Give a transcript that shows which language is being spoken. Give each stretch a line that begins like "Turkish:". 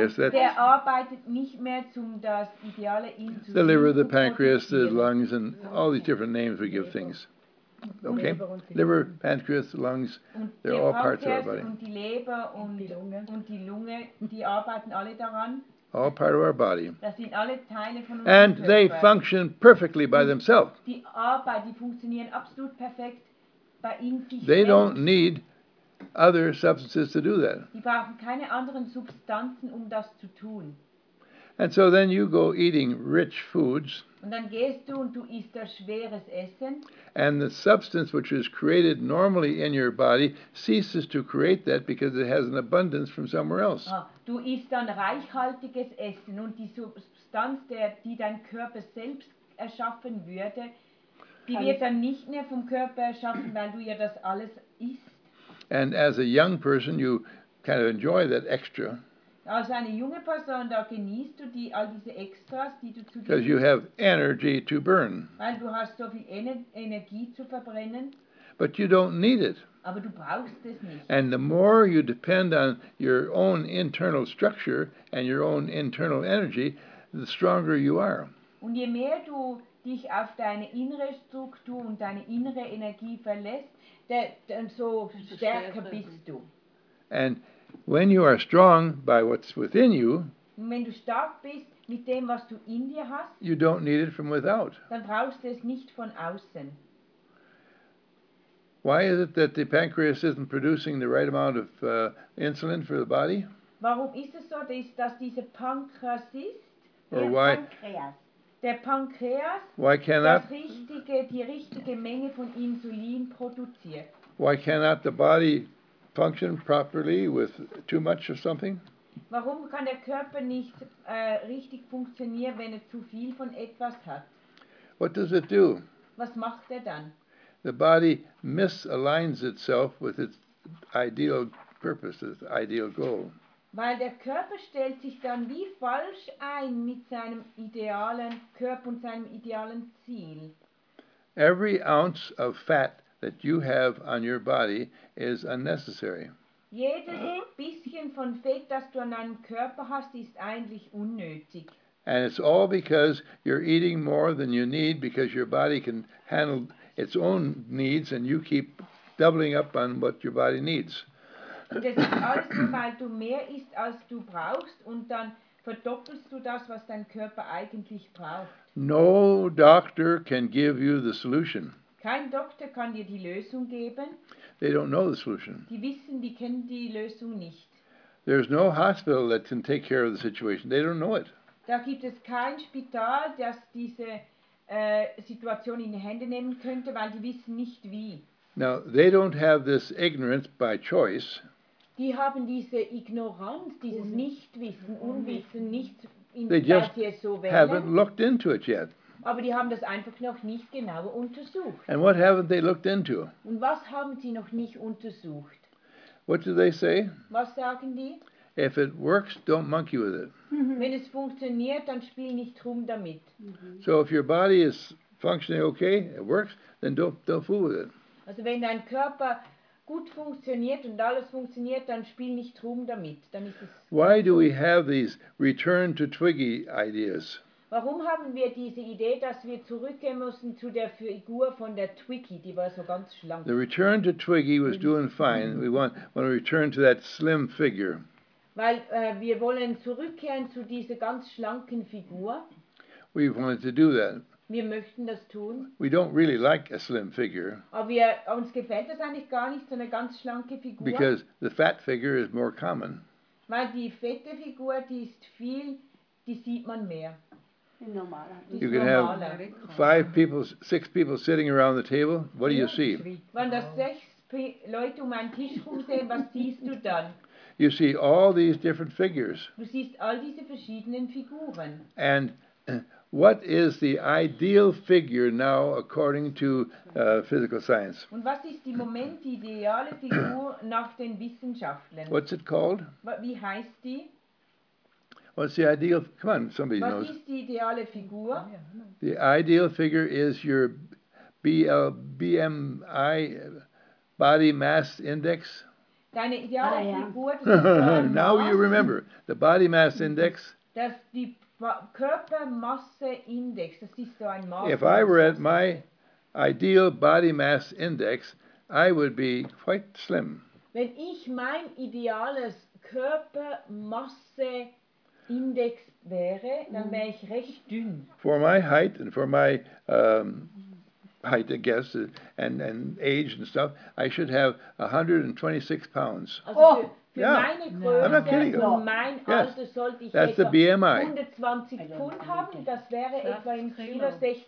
German: Der arbeitet nicht mehr zum das ideale Insulin.
English: The liver, the pancreas, the lungs, and all these different names we give things. Okay? Liver, pancreas, lungs, they're all parts of our body.
German: Und die Leber und die Lunge, die arbeiten alle daran.
English: All part of our body.
German: Das sind alle Teile von unserem
English: and
German: Körper.
English: They function perfectly by themselves.
German: Die arbeiten, die funktionieren absolut perfekt bei in sich.
English: They don't need other substances to do that.
German: Die brauchen keine anderen Substanzen, um das zu tun.
English: And so then you go eating rich foods.
German: Und dann gehst du und du isst das schweres Essen.
English: And the substance which is created normally in your body ceases to create that because it has an abundance from somewhere else.
German: Du isst dann reichhaltiges Essen und die Substanz, die dein Körper selbst erschaffen würde, die wird dann nicht mehr vom Körper erschaffen, weil du ja das alles isst.
English: And as a young person, you kind of enjoy that extra.
German: Als eine junge Person, da genießt du die, all diese Extras, die du zu dir.
English: Because you have energy to burn.
German: Weil du hast so viel Energie zu verbrennen.
English: But you don't need it.
German: Aber du brauchst es nicht.
English: And the more you depend on your own internal structure and your own internal energy, the stronger you are.
German: Und je mehr du dich auf deine innere Struktur und deine innere Energie verlässt, desto stärker bist du.
English: And when you are strong by what's within you,
German: wenn du stark bist mit dem, was du in dir hast,
English: you don't need it from without.
German: Dann brauchst du es nicht von außen.
English: Why is it that the pancreas isn't producing the right amount of insulin for the body?
German: Warum ist es so, dass diese Pankreas ist?
English: Or why?
German: Der Pankreas,
English: why cannot,
German: die richtige Menge von Insulin produziert.
English: Why cannot the body function properly with too much of something?
German: Warum kann der Körper nicht richtig funktionieren, wenn er zu viel von etwas hat?
English: What does it do?
German: Was macht er dann?
English: The body misaligns itself with its ideal purpose, its ideal goal.
German: Weil der Körper stellt sich dann wie falsch ein mit seinem idealen Körper und seinem idealen Ziel.
English: Every ounce of fat that you have on your body is unnecessary.
German: Jedes bisschen von Fett, das du an deinem Körper hast, ist eigentlich unnötig.
English: And it's all because you're eating more than you need because your body can handle its own needs and you keep doubling up on what your body needs.
German: Und das ist alles nur, weil du mehr isst, als du brauchst und dann verdoppelst du das, was dein Körper eigentlich braucht.
English: No doctor can give you the solution.
German: Kein Doktor kann dir die Lösung geben.
English: They don't know the solution.
German: Die wissen, die kennen die Lösung nicht.
English: There's no hospital that can take care of the situation. They don't know it.
German: Da gibt es kein Spital, das diese Situation in die Hände nehmen könnte, weil die wissen nicht wie.
English: Now, they don't have this ignorance by choice.
German: Die haben diese Ignoranz, dieses Nichtwissen, Unwissen, nicht in der sie es so wählen.
English: They just haven't looked into it yet.
German: Aber die haben das einfach noch nicht genauer untersucht.
English: And what haven't they looked into?
German: Und was haben sie noch nicht untersucht?
English: What do they say?
German: Was sagen die?
English: If it works, don't monkey with it.
German: Wenn es funktioniert, dann spiel nicht rum damit.
English: So if your body is functioning okay, it works, then don't fool with it.
German: Also wenn dein Körper gut funktioniert und alles funktioniert, dann spiel nicht rum damit. Dann ist es.
English: Why do we have these return to Twiggy ideas?
German: Warum haben wir diese Idee, dass wir zurückgehen müssen zu der Figur von der Twiggy, die war so ganz schlank?
English: The return to Twiggy was doing fine. We want to return to that slim figure.
German: Weil wir wollen zurückkehren zu dieser ganz schlanken Figur.
English: We wanted to do that.
German: Wir möchten das tun.
English: We don't really like a slim figure.
German: Aber uns gefällt das eigentlich gar nicht, so eine ganz schlanke Figur.
English: Because the fat figure is more common.
German: Weil die fette Figur, die ist viel, die sieht man mehr. Normaler.
English: You can have six people sitting around the table. What do you see?
German: Wenn das sechs Leute um einen Tisch rumsehen, was siehst du dann?
English: You see all these different figures.
German: Du siehst all diese verschiedenen Figuren.
English: And what is the ideal figure now according to physical science?
German: Und was ist im Moment die ideale Figur nach den Wissenschaftlern?
English: What's it called?
German: Wie heißt die?
English: What's the ideal? Come on, somebody
German: was
English: knows.
German: Was ist die ideale Figur?
English: The ideal figure is your BMI, body mass index.
German: Deine ideale Figur.
English: Now you remember the body mass index.
German: Das die Körpermasseindex. Das ist so ein Maß.
English: If I were at my ideal body mass index, I would be quite slim.
German: Wenn ich mein ideales Körpermasse Index wäre, dann wäre ich recht dünn.
English: For my height and for my height, I guess, and age and stuff, I should have 126 pounds.
German: Also Für
English: yeah.
German: meine Größe,
English: I'm not kidding you.
German: Für mein
English: yes.
German: Alter sollte ich
English: That's the BMI.
German: 120 Pfund haben. Das wäre etwa im Kilo 60